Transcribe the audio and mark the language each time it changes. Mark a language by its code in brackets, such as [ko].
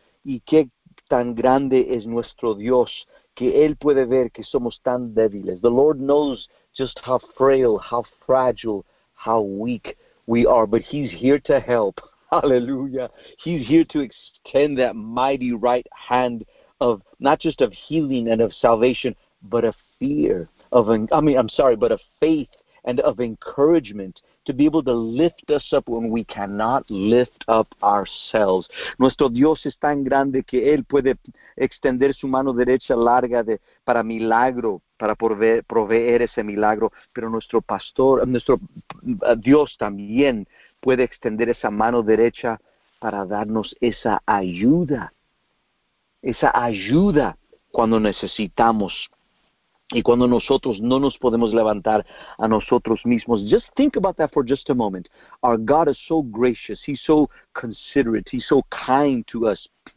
[es] Y qué tan grande es nuestro Dios, que Él puede ver que somos tan débiles. [en] The Lord knows just how frail, how fragile, how weak we are, but He's here to help. Hallelujah. He's here to extend that mighty right hand of not just of healing and of salvation, but of fear, but of faith and of encouragement to be able to lift us up when we cannot lift up ourselves. [es] Nuestro Dios es tan grande que Él puede extender su mano derecha larga para milagro, para proveer ese milagro, pero nuestro pastor, nuestro Dios también puede extender esa mano derecha para darnos esa ayuda. Esa ayuda cuando necesitamos y cuando nosotros no nos podemos levantar a nosotros mismos. [en] Just think about that for just a moment. Our God is so gracious. He's so considerate. He's so kind to us.